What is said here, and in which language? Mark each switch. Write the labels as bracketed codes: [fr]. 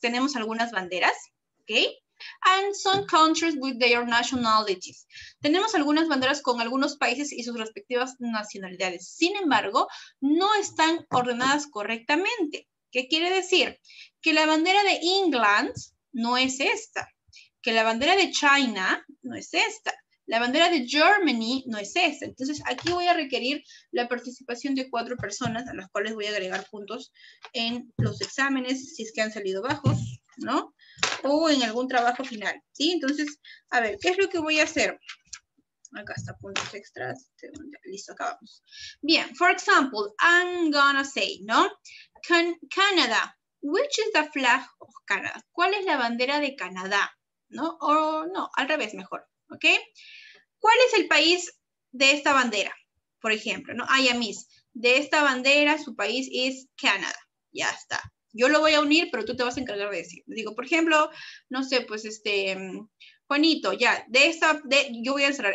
[es] Tenemos algunas banderas, okay? [en] And some countries with their nationalities. [es] Tenemos algunas banderas con algunos países y sus respectivas nacionalidades. Sin embargo, no están ordenadas correctamente. ¿Qué quiere decir? Que la bandera de England no es esta. Que la bandera de China no es esta. La bandera de Germany no es esta. Entonces, aquí voy a requerir la participación de 4 personas a las cuales voy a agregar puntos en los exámenes, si es que han salido bajos, ¿no? O en algún trabajo final, ¿sí? Entonces, a ver, ¿qué es lo que voy a hacer? Acá está, puntos extras. Listo, acabamos. Bien, [en] for example, I'm gonna say, [es] ¿no? [en] Canada, which is the flag of Canada? [es] ¿Cuál es la bandera de Canadá? ¿No? O no, al revés, mejor. ¿Ok? ¿Cuál es el país de esta bandera? Por ejemplo, ¿no? Ay, Amis, de esta bandera su país es Canadá. Ya está. Yo lo voy a unir, pero tú te vas a encargar de decir. Digo, por ejemplo, no sé, pues este, Juanito, ya, de esta, de, yo voy a cerrar.